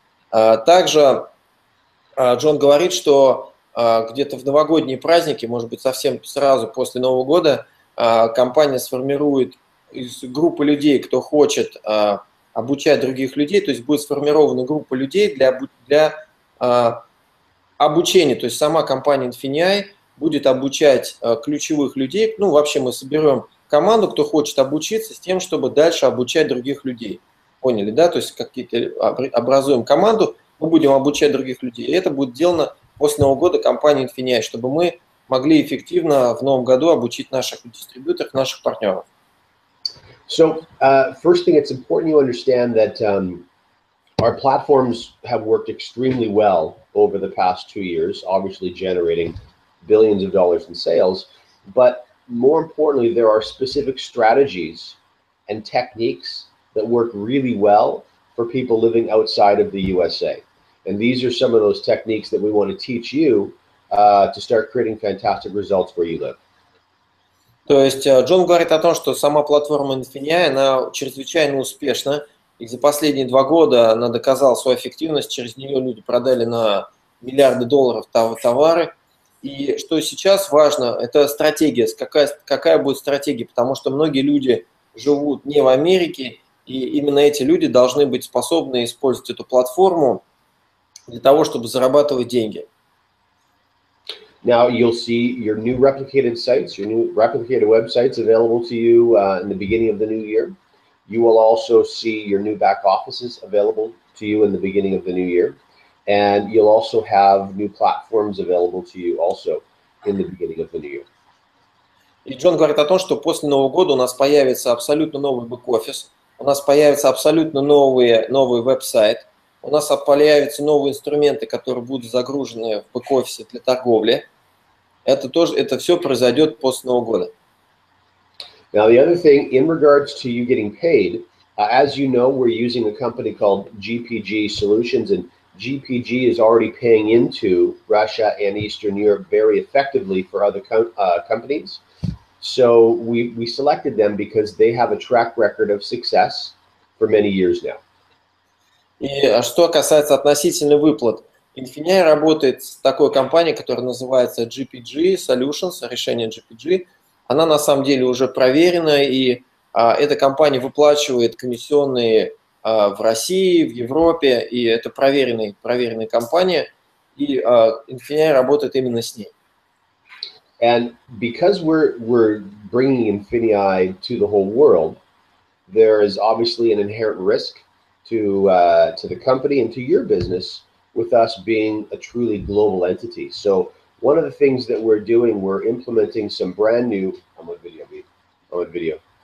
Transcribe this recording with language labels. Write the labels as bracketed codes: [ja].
[ru] Также Джон говорит, что где-то в новогодние праздники, может быть, совсем сразу после Нового года, компания сформирует из группы людей, кто хочет обучать других людей, то есть будет сформирована группа людей для обучение, то есть сама компания Infinii будет обучать ключевых людей, ну вообще мы соберем команду, кто хочет обучиться с тем, чтобы дальше обучать других людей. Поняли, да? То есть какие-то образуем команду, мы будем обучать других людей. И это будет сделано после Нового года компанией Infinii, чтобы мы могли эффективно в новом году обучить наших дистрибьюторов, наших партнеров. [en] So, first thing, it's important you understand that our platforms have worked extremely well over the past 2 years, obviously generating billions of dollars in sales. But more importantly, there are specific strategies and techniques that work really well for people living outside of the USA. And these are some of those techniques that we want to teach you to start creating fantastic results where you live. [ru] То есть Джон говорит о том, что сама платформа Infinii, она чрезвычайно успешна. И за последние два года она доказала свою эффективность, через нее люди продали на миллиарды долларов товары. И что сейчас важно, это стратегия, какая будет стратегия, потому что многие люди живут не в Америке, и именно эти люди должны быть способны использовать эту платформу для того, чтобы зарабатывать деньги. [en] Now you'll see your new replicated sites, your new replicated websites available to you in the beginning of the new year. You will also see your new back offices available to you in the beginning of the new year. And you'll also have new platforms available to you also in the beginning of the new year. [ru] И Джон говорит о том, что после Нового года у нас появится абсолютно новый бэк-офис, у нас появится абсолютно новый веб-сайт, у нас появятся новые инструменты, которые будут загружены в бэк-офисе для торговли. Это тоже, это все произойдет после Нового года. [en] Now, the other thing in regards to you getting paid, as you know, we're using a company called GPG Solutions, and GPG is already paying into Russia and Eastern Europe very effectively for other companies. So we selected them because they have a track record of success for many years now. [ru] И что касается относительно выплат, Infinia работает с такой компанией, которая называется GPG Solutions, решение GPG. Она на самом деле уже проверена, и эта компания выплачивает комиссионные в России, в Европе, и это проверенная компания, и Infinia работает именно с ней. [en] And because we're bringing Infinia to the whole world, there is obviously an inherent risk to the company and to your business with us being a truly global entity. So one of the things that we're doing, we're implementing some brand new, I'm on video.